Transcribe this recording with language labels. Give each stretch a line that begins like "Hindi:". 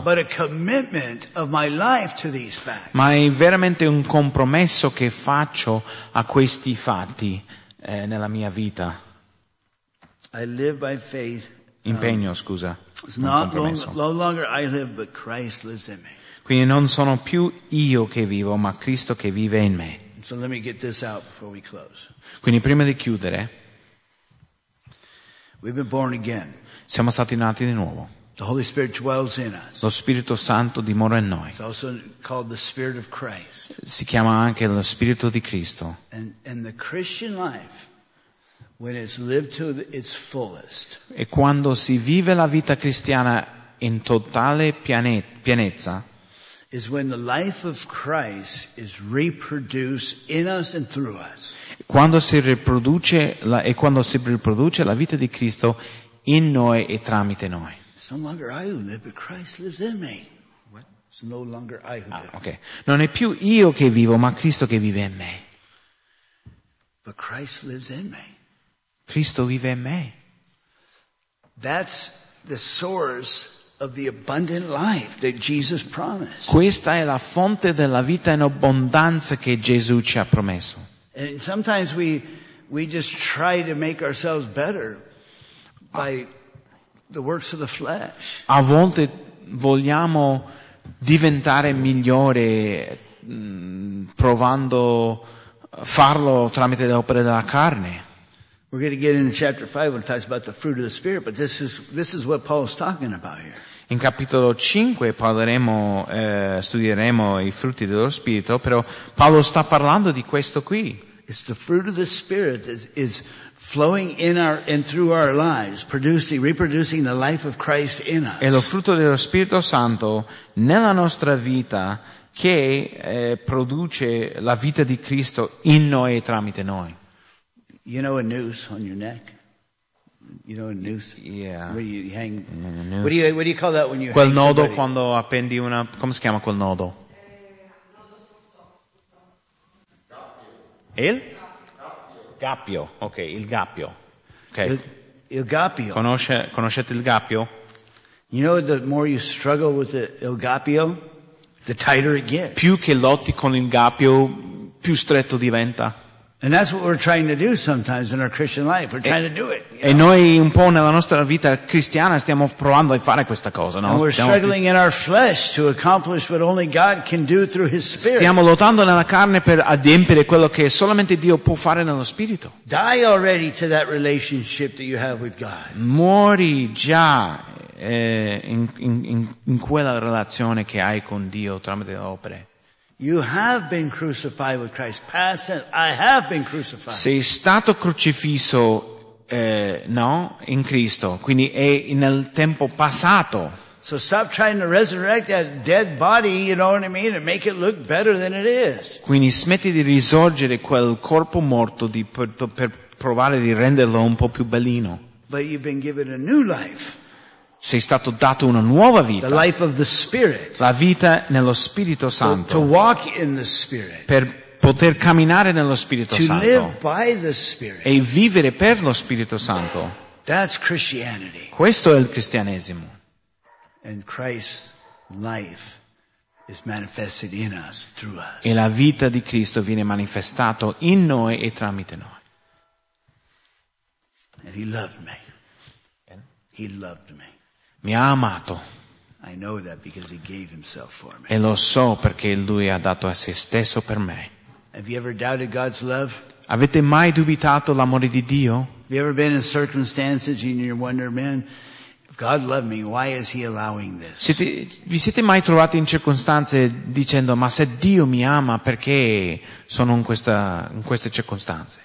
English: But a commitment of my life to these facts.
Italian: Ma è veramente un compromesso che faccio a questi fatti nella mia vita.
English: I live by faith.
Italian: Impegno, scusa.
English: It's not no longer I live, but Christ lives in me.
Italian: Quindi non sono più io che vivo, ma Cristo che vive in me.
English: So let me get this out before we close.
Italian: Quindi prima di chiudere,
English: we've been born again.
Italian: Siamo stati nati di nuovo.
English: The Holy Spirit dwells in us.
Italian: Lo Spirito Santo dimora in noi.
English: It's also called the Spirit of Christ.
Italian: Si chiama anche lo Spirito di Cristo.
English: And the Christian life, when it's lived to its fullest.
Italian: E quando si vive la vita cristiana in totale pienezza,
English: is when the life of Christ is reproduced in us and through us.
Italian: Quando si riproduce la vita di Cristo in noi e tramite noi.
English: It's no longer I who live, but Christ lives in me. What? It's no longer I who live. Ah, okay.
Italian: Non è più io che vivo, ma Cristo che vive in me.
English: But Christ lives in me.
Italian: Cristo vive in me.
English: That's the source of the abundant life that Jesus promised.
Italian: Questa è la fonte della vita in abbondanza che Gesù ci ha promesso.
English: And sometimes we just try to make ourselves better by the works of the flesh.
Italian: A volte vogliamo diventare migliore provando farlo tramite le opere della carne.
English: We're going to get into chapter 5 when it talks about the fruit of the Spirit, but this is what Paul's talking about here.
Italian: In capitolo 5 parleremo, studieremo i frutti dello Spirito, però Paolo sta parlando di questo qui.
English: It's the fruit of the Spirit that is flowing in our and through our lives, producing, reproducing the life of Christ in us.
Italian: È lo frutto dello Spirito Santo nella nostra vita che produce la vita di Cristo in noi e tramite noi.
English: You know a noose on your neck? You know a noose? Yeah. Where you hang? Noose. What do you call that when you
Italian: quel
English: hang
Italian: nodo
English: somebody?
Italian: Quando appendi una, come si chiama quel nodo? Il? Gappio. Ok, il gappio. Okay. Il gappio. Conoscete il gappio?
English: You know, the more you struggle with
Italian: il gappio,
English: the tighter it gets.
Italian: Più che lotti con il gappio, più stretto diventa.
English: And that's what we're trying to do sometimes in our Christian life. We're trying to do it.
Italian: E noi un po' nella nostra vita cristiana stiamo provando a fare questa cosa, no?
English: And we're struggling in our flesh to accomplish what only God can do through His Spirit.
Italian: Stiamo lottando nella carne per adempiere quello che solamente Dio può fare nello Spirito.
English: Die already to that relationship that you have with God.
Italian: Muori già in quella relazione che hai con Dio tramite le opere.
English: You have been crucified with Christ. Past tense, I have been crucified.
Italian: Sei stato crocifisso, no, in Cristo. Quindi è nel tempo passato.
English: So stop trying to resurrect that dead body, you know what I mean, and make it look better than it is.
Italian: Quindi smetti di risorgere quel corpo morto per provare di renderlo un po' più bellino.
English: But you've been given a new life.
Italian: Sei stato dato una nuova vita.
English: The life of the Spirit.
Italian: La vita nello Spirito Santo.
English: To walk in the Spirit.
Italian: Per poter camminare nello Spirito
English: to
Italian: Santo.
English: Live by the Spirit.
Italian: E vivere per lo Spirito Santo.
English: That's Christianity.
Italian: Questo è il cristianesimo.
English: And Christ's life is manifested in us, through us.
Italian: E la vita di Cristo viene manifestata in noi e tramite noi.
English: And He loved me. He loved me.
Italian: Mi ha amato.
English: I know that because He gave Himself for me.
Italian: E lo so perché Lui ha dato a se stesso per me.
English: Have you ever doubted God's love?
Italian: Avete mai dubitato l'amore di Dio?
English: Have you ever been in circumstances and you wonder, man, if God loved me, why is He allowing this?
Italian: Vi siete mai trovati in circostanze dicendo, ma se Dio mi ama, perché sono in queste circostanze?